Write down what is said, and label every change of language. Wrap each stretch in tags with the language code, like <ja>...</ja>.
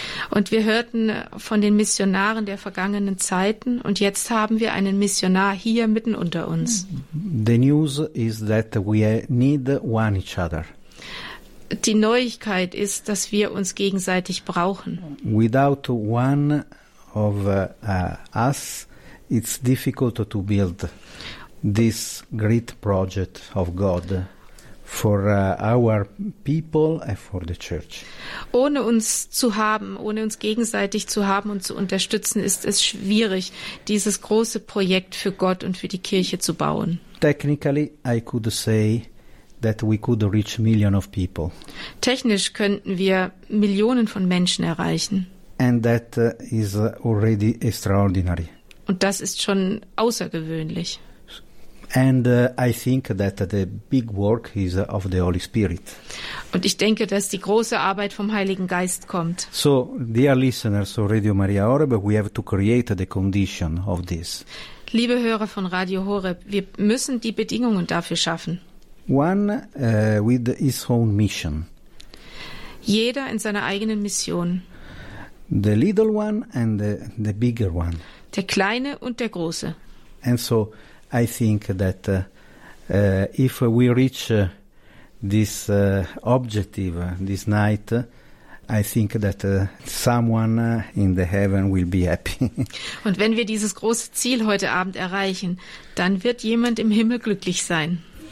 <de>Und wir hörten von den Missionaren der vergangenen Zeiten und jetzt haben wir einen Missionar hier mitten unter uns.</de> <en>The news is that we need one each other.</en> <de>Die Neuigkeit ist, dass wir uns gegenseitig brauchen.</de> <en>Without one of us, it's difficult to build. this great project of God for our people and for the church.</en> <de>Ohne uns zu haben, ohne uns gegenseitig zu haben und zu unterstützen, ist es schwierig, dieses große Projekt für Gott und für die Kirche zu bauen.</de> <en>Technically, I could say that we could reach millions of people.</en> <de>Technisch könnten wir Millionen von Menschen erreichen.</de> <en>And that is already extraordinary.</en> <de>Und das ist schon außergewöhnlich.</de> <en>And I think that the big work is of the Holy Spirit.</en> <de>Und ich denke, dass die große Arbeit vom Heiligen Geist kommt.</de> <en>So, dear listeners of Radio Maria Horeb, we have to create the condition of this.</en> <de>Liebe Hörer von Radio Horeb, wir müssen die Bedingungen dafür schaffen.</de> <en>One with his own mission.</en> <de>Jeder in seiner eigenen Mission.</de> <en>The little one and the bigger one.</en> <de>Der kleine und der große.</de> <en>And so I think that if we reach this objective this night, I think that someone in the heaven will be happy.</en> <de>Und wenn wir dieses große Ziel heute Abend erreichen, dann wird jemand im Himmel glücklich sein.</de>